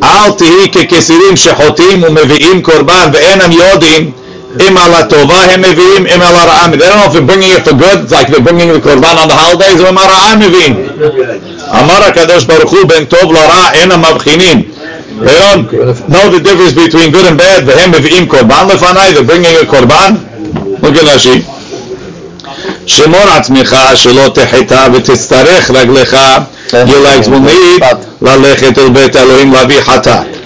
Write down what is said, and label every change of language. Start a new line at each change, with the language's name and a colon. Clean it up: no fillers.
Hebrew: אל תהי ככסירים שחוטים ומביאים קורבן ואינם יודעים אם על הטובה הם מביאים, אם על הרעה מביאים.
English: They don't know if they're bringing it for good, like they're bringing the קורבן on the holidays,
Hebrew: אם הרעה מביאים. אמר הקדוש ברוך הוא בין טוב לרע אין המבחינים.
English: They don't know the difference between good and bad,
Hebrew: והם מביאים קורבן לפני,
English: they're bringing a קורבן. Look at that sheep.
Hebrew: שמור עצמך שלא תחטא ותצטרך רגליך,
English: your legs will need
Hebrew: ללכת אל בית אלוהים להביא חטא.